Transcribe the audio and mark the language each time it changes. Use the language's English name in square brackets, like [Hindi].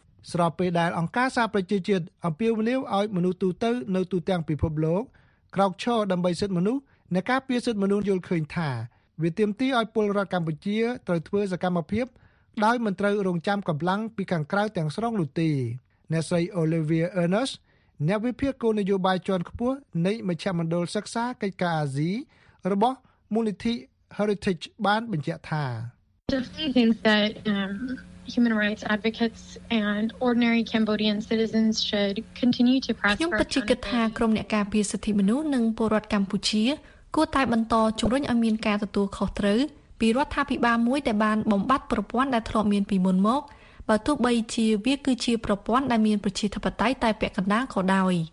[Khmer] ស្របពេលដែលអង្គការសហប្រជាជាតិអំពាវនាវឲ្យមនុស្សទូទៅនៅទូទាំងពិភពលោកក្រោកឈរដើម្បីសិទ្ធិមនុស្សនៃការពៀសសិទ្ធិមនុស្សយល់ឃើញថាវាទាមទារឲ្យពលរដ្ឋកម្ពុជាត្រូវធ្វើសកម្មភាពដោយមិនត្រូវរងចាំកម្លាំងពីខាងក្រៅទាំងស្រុងនោះទេអ្នកស្រី Olivia Ernst អ្នកវិភាគគោលនយោបាយជាន់ខ្ពស់នៃមជ្ឈមណ្ឌលសិក្សាកិច្ចការអាស៊ីរបស់មូលនិធិ Heritage បានបញ្ជាក់ថា [English] The thing that human rights advocates and ordinary Cambodian citizens should continue to press for [Khmer] ខ្ញុំពិតជាគិតថាក្រុមអ្នកការពារសិទ្ធិមនុស្សនិងពលរដ្ឋកម្ពុជាគួរតែបន្តជំរុញឲ្យមានការទទួលខុសត្រូវពីរដ្ឋាភិបាលមួយដែលបានបំបត្តិប្រព័ន្ធដែលធ្លាប់មានពីមុនមកបើទោះបីជាវាគឺជាប្រព័ន្ធដែលមានប្រជាធិបតេយ្យតែពាក់កណ្ដាលក៏ដោយ